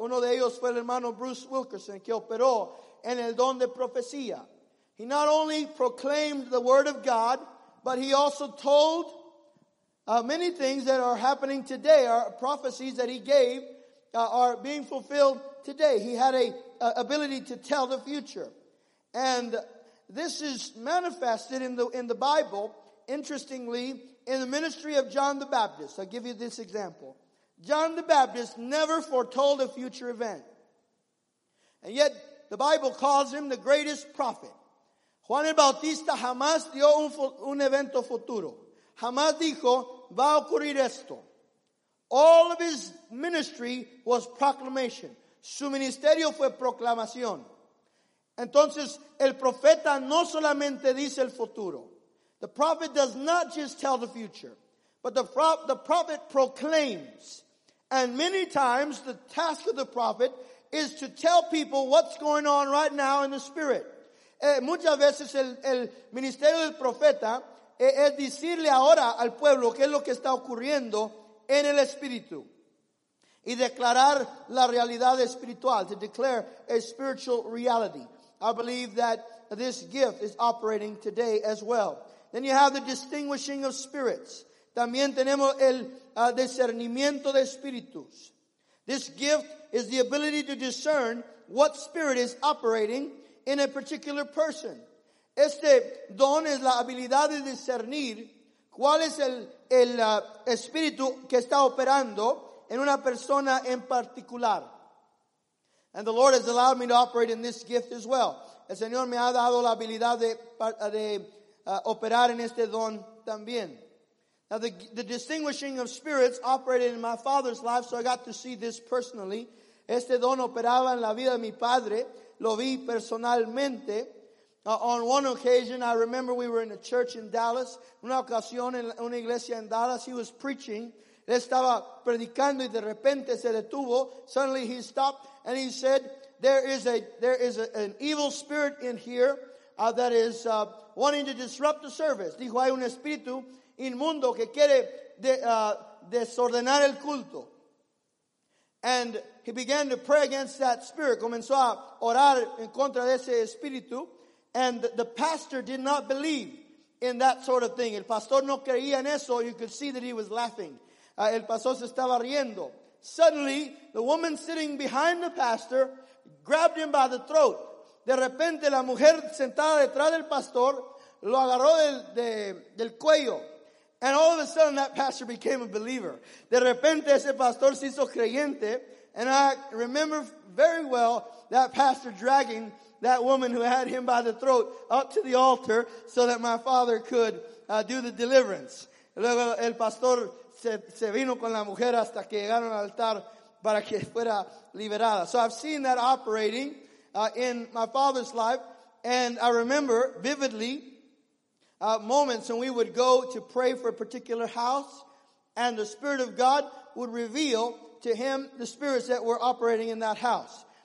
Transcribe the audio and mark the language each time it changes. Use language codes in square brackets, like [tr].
[es] Uno de ellos fue el hermano Bruce Wilkerson que operó en el don de profecía. [en] He not only proclaimed the word of God, but he also told many things that are happening today. Our prophecies that he gave are being fulfilled today. He had a ability to tell the future. And this is manifested in the Bible, interestingly, in the ministry of John the Baptist. I'll give you this example. John the Baptist never foretold a future event. And yet, the Bible calls him the greatest prophet. [es] Juan el Bautista jamás dio un evento futuro. Jamás dijo, va a ocurrir esto. [en] All of his ministry was proclamation. [es] Su ministerio fue proclamación. Entonces, el profeta no solamente dice el futuro. [en] The prophet does not just tell the future, but the prophet proclaims. And many times, the task of the prophet is to tell people what's going on right now in the spirit. [es] Muchas veces el ministerio del profeta es decirle ahora al pueblo qué es lo que está ocurriendo en el espíritu y declarar la realidad espiritual, [en] to declare a spiritual reality. I believe that this gift is operating today as well. Then you have the distinguishing of spirits. [es] También tenemos el discernimiento de espíritus. [en] This gift is the ability to discern what spirit is operating in a particular person. [es] Este don es la habilidad de discernir cuál es el espíritu que está operando en una persona en particular. [en] And the Lord has allowed me to operate in this gift as well. [es] El Señor me ha dado la habilidad de operar en este don también. [en] Now the distinguishing of spirits operated in my father's life, so I got to see this personally. [es] Este don operaba en la vida de mi padre. Lo vi personalmente. [en] On one occasion, I remember we were in a church in Dallas. [es] Una ocasión en una iglesia en Dallas, [en] he was preaching. [es] Él estaba predicando y de repente se detuvo. [en] Suddenly he stopped and he said, there is an evil spirit in here that is wanting to disrupt the service. [es] Dijo, hay un espíritu inmundo que quiere desordenar el culto. [en] And he began to pray against that spirit. [es] Comenzó a orar en contra de ese espíritu. [en] And the pastor did not believe in that sort of thing. [es] El pastor no creía en eso. [en] You could see that he was laughing. [es] El pastor se estaba riendo. [en] Suddenly, the woman sitting behind the pastor grabbed him by the throat. [es] De repente, la mujer sentada detrás del pastor lo agarró del cuello. [en] And all of a sudden, that pastor became a believer. [es] De repente, ese pastor se hizo creyente. [en] And I remember very well that pastor dragging that woman who had him by the throat up to the altar so that my father could do the deliverance. [es] Luego el pastor se vino con la mujer hasta que llegaron al altar para que fuera liberada. [en] So I've seen that operating in my father's life. And I remember vividly moments when we would go to pray for a particular house and the Spirit of God would reveal to him the spirits that were operating in that house.